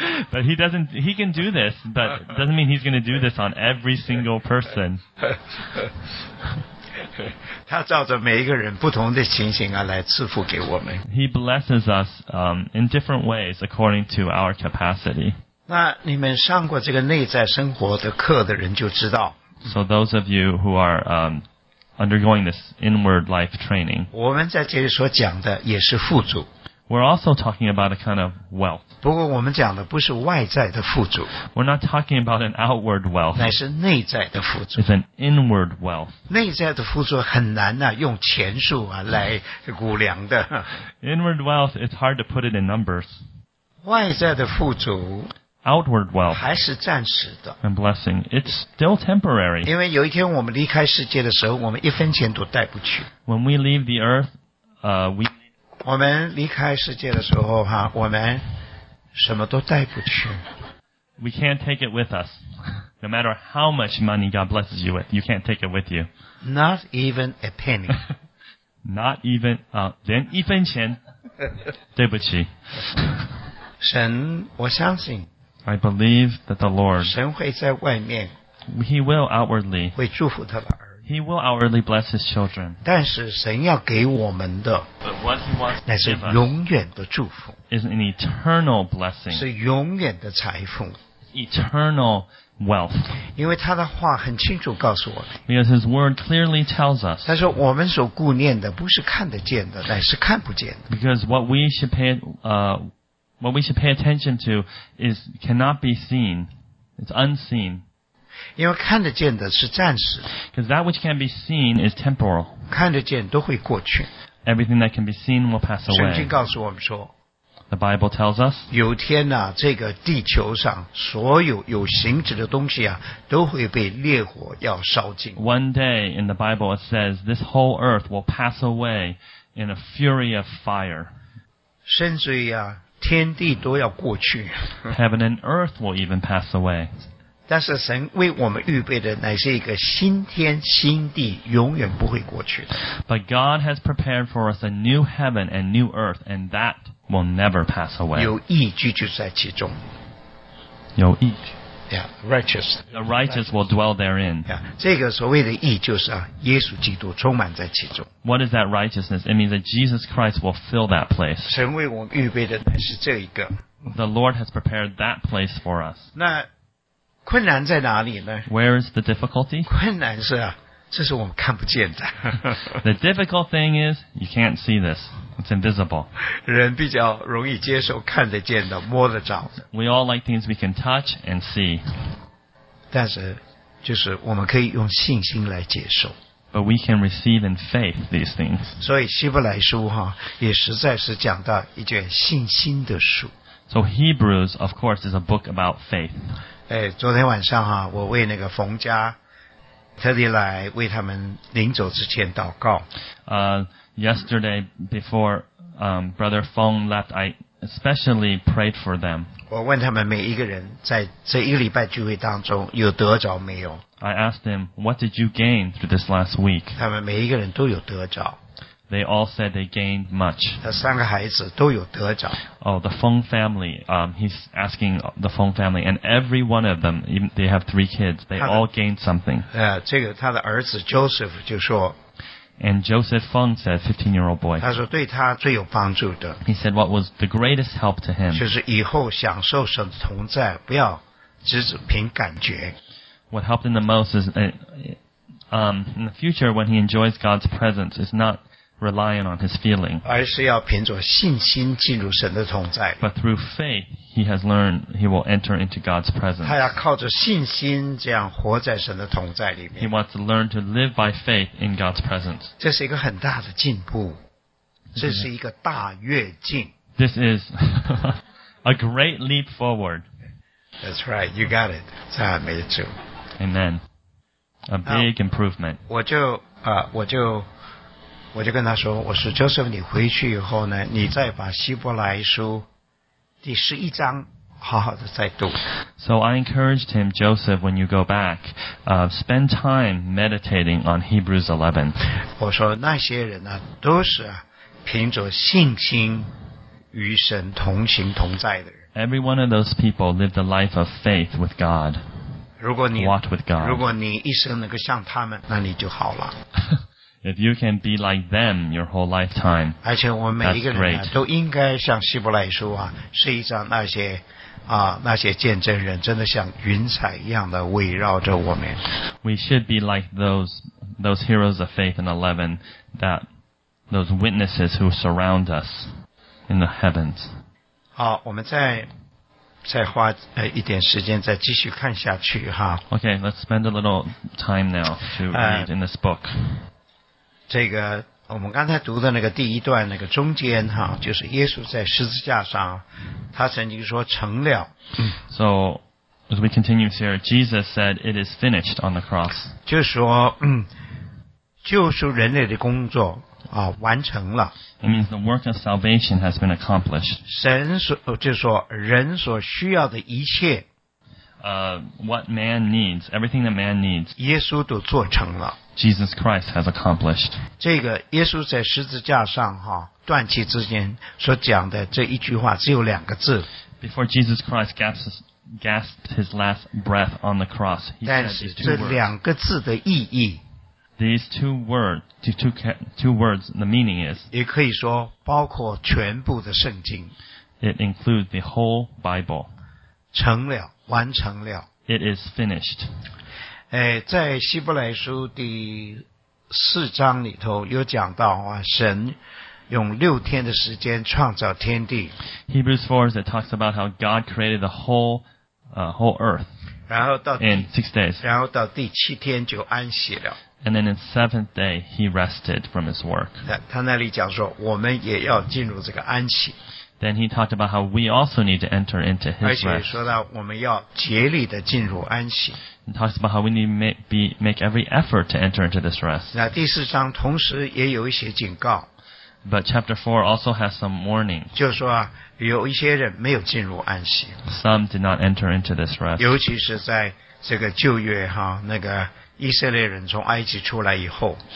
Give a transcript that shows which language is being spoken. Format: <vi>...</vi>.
<en>But he can do this, but it doesn't mean he's going to do this on every single person.</en> <zh>他照着每一个人不同的情形啊来赐福给我们。</zh> <en>He blesses us, in different ways according to our capacity.</en> <zh>那你们上过这个内在生活的课的人就知道。</zh> <en>So those of you who are, undergoing this inward life training.</en> <zh>我们在这里所讲的也是富足。</zh> <en>We're also talking about a kind of wealth.</en> <zh>不过我们讲的不是外在的富足。</zh> <en>We're not talking about an outward wealth.</en> <zh>乃是内在的富足。</zh> <en>It's an inward wealth.</en> <zh>内在的富足很难啊，用钱数啊来估量的。</zh> <en>Inward wealth, it's hard to put it in numbers.</en> <zh>外在的富足。</zh> <en>Outward wealth</en> <zh>还是暂时的</zh> <en>and blessing. It's still temporary.</en> <zh>因为有一天我们离开世界的时候，我们一分钱都带不去。</zh> <en>When we leave the earth,</en> <zh>我们离开世界的时候哈，我们什么都带不去。</zh> <en>We can't take it with us. No matter how much money God blesses you with, you can't take it with you. Not even a penny. Not even</en> <zh>连一分钱，对不起。神，我相信。</zh> <en>I believe that the Lord,</en> <zh>神会在外面,</zh> <en>He will outwardly,</en> <zh>会祝福他的儿子,</zh> <en>He will outwardly bless His children.</en> <zh>但是神要给我们的,</zh> <en>but what He wants to give us,</en> <zh>那是永远的祝福,</zh> <en>is an eternal blessing,</en> <zh>是永远的财富,</zh> <en>eternal wealth.</en> <zh>因为他的话很清楚告诉我们,</zh> <en>because His word clearly tells us,</en> <zh>他说我们所顾念的不是看得见的, 乃是看不见的,</zh> <en>because what we should pay attention to is cannot be seen. It's unseen.</en> <zh>因为看得见的是暂时。</zh> <en>Because that which can be seen is temporal.</en> <zh>看得见都会过去。</zh> <en>Everything that can be seen will pass away.</en> <zh>圣经告诉我们说。</zh> <en>The Bible tells us.</en> <zh>有天呢、啊、这个地球上所有有形质的东西啊都会被烈火要烧尽。</zh> <en>One day in the Bible it says this whole earth will pass away in a fury of fire.</en> <zh>甚至于啊天地都要过去。</zh> <en>Heaven and earth will even pass away.</en> <zh>但是神为我们预备的乃是一个新天新地，永远不会过去的。</zh> <en>But God has prepared for us a new heaven and new earth, and that will never pass away.</en> <zh>有义居住在其中。有义。</zh> <en>Yeah, righteous. The righteous will dwell therein.</en> <zh>Yeah, 这个所谓的义就是啊，耶稣基督充满在其中。</zh> <en>What is that righteousness? It means that Jesus Christ will fill that place.</en> <zh>神为我们预备的乃是这一个。</zh> <en>The Lord has prepared that place for us.</en> <zh>那困难在哪里呢？</zh> <en>Where is the difficulty?</en> <zh>困难是啊，这是我们看不见的。</zh> <en>The difficult thing is, you can't see this. It's invisible.</en> <zh>人比较容易接受看得见的，摸得着的。</zh> <en>We all like things we can touch and see.</en> <zh>但是，就是我们可以用信心来接受。</zh> <en>But we can receive in faith these things.</en> <zh>所以希伯来书哈，也实在是讲到一卷信心的书。</zh> <en>So Hebrews, of course, is a book about faith.</en> <zh>哎，昨天晚上哈，我为那个冯家特地来为他们临走之前祷告。</zh> <en>Yesterday, before Brother Feng left, I especially prayed for them.</en> <zh>我问他们每一个人在这一个礼拜聚会当中有得着没有。</zh> <en>I asked them, what did you gain through this last week?</en> <zh>他们每一个人都有得着。</zh> <en>They all said they gained much.</en> <zh>他三个孩子都有得着。</zh> <en>Oh, the Feng family, he's asking the Feng family, and every one of them, even, they have three kids, they all gained something.</en> <zh>这个他的儿子 Joseph 就说,</zh> <en>And Joseph Fung said, 15-year-old boy,</en> <zh>他说对他最有帮助的,</zh> <en>he said what was the greatest help to him,</en> <zh>就是以后享受神的同在, 不要只是凭感觉。</zh> <en>What helped him the most is, in the future when he enjoys God's presence, it's not relying on his feeling,</en> <zh>而是要凭着信心进入神的同在。</zh> <en>But through faith, he has learned he will enter into God's presence.</en> <zh>他要靠着信心这样活在神的同在里面。</zh> <en>He wants to learn to live by faith in God's presence.</en> <zh>这是一个很大的进步。这是一个大跃进。</zh> <en>This is a great leap forward. That's right, you got it.</en> <zh>赞美主。</zh> <en>Amen. A big improvement.</en> <zh>我就跟他说，我说 Joseph, 你回去以后呢，你再把希伯来书第十一章好好的再读。</zh> <en>So I encouraged him, Joseph, when you go back, spend time meditating on Hebrews 11.</en> <zh>我说那些人呢，都是凭着信心与神同行同在的人。</zh> <en>Every one of those people lived a life of faith with God.</en> <zh>如果你</zh> <en>walked with God.</en> <zh>如果你一生能够像他们，那你就好了。</zh> <en>If you can be like them your whole lifetime,</en> <zh>而且我们每一个人呢，都应该像希伯来书啊，是一张那些啊那些见证人，真的像云彩一样的围绕着我们。</zh> <en>We should be like those heroes of faith in 11, that those witnesses who surround us in the heavens.</en> <zh>好，我们再花一点时间再继续看下去哈。</zh> <en>Okay, let's spend a little time now to read in this book.</en> <zh>这个我们刚才读的那个第一段那个中间哈，就是耶稣在十字架上他曾经说成了。</zh> <en>So as we continue here, Jesus said it is finished on the cross.</en> <zh>就是说救赎人类的工作啊完成了。</zh> <en>It means the work of salvation has been accomplished.</en> <zh>神所就是说人所需要的一切</zh> <en>What man needs, everything that man needs,</en> <zh>耶稣都做成了。</zh> <en>Jesus Christ has accomplished.</en> <zh>这个耶稣在十字架上哈断气之间所讲的这一句话只有两个字。</zh> <en>Before Jesus Christ gasped his last breath on the cross, he said these two words.</en> <zh>但是这两个字的意义</zh> <en>These two words, the meaning is</en> <zh>也可以说包括全部的圣经。</zh> <en>It includes the whole Bible.</en> <zh>成了完成了。</zh> <en>It is finished.</en> <zh>在希伯来书第四章里头有讲到啊，神用六天的时间创造天地。</zh> <en>Hebrews 4, it talks about how God created the whole earth.</en> <zh>然后到</zh> <en>in 6 days.</en> <zh>然后到第七天就安息了。</zh> <en>And then in the seventh day, he rested from his work.</en> <zh>他那里讲说，我们也要进入这个安息。</zh> <en>Then he talked about how we also need to enter into his rest.</en> <zh>而且说到我们要竭力的进入安息。</zh> <en>He talks about how we need to make every effort to enter into this rest.</en> <zh>那第四章同时也有一些警告。</zh> <en>But chapter 4 also has some warning.</en> <zh>就是说有一些人没有进入安息。</zh> <en>Some did not enter into this rest.</en> <zh>尤其是在这个旧约哈，那个以色列人从埃及出来以后</zh>